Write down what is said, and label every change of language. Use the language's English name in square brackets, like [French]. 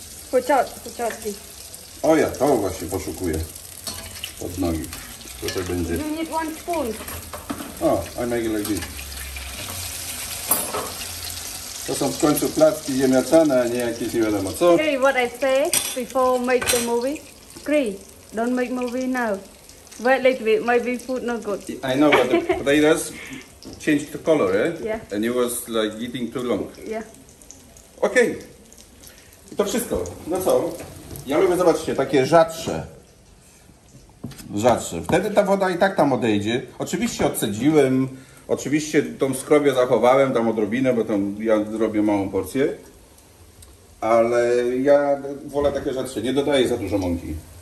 [Polish] Pociaski. O ja, to właśnie poszukuję. Pod nogi. To tak będzie. [English] You need one spoon. O, I make it like this. [Polish] To są w końcu placki ziemniaczane, a nie jakieś nie wiadomo co. [English] Okay, what I say before make the movie. Great. Don't make movie now. Wait a little bit, maybe food not good. I know, but the potatoes changed the color, eh? Yeah. And it was like eating too long. Yeah. [Polish] Okay. I to wszystko. No co? Ja lubię, zobaczcie, takie rzadsze. Rzadsze. Wtedy ta woda i tak tam odejdzie. Oczywiście odcedziłem. Oczywiście tą skrobię zachowałem, tam odrobinę, bo tam ja zrobię małą porcję. Ale ja wolę takie rzadsze. Nie dodaję za dużo mąki.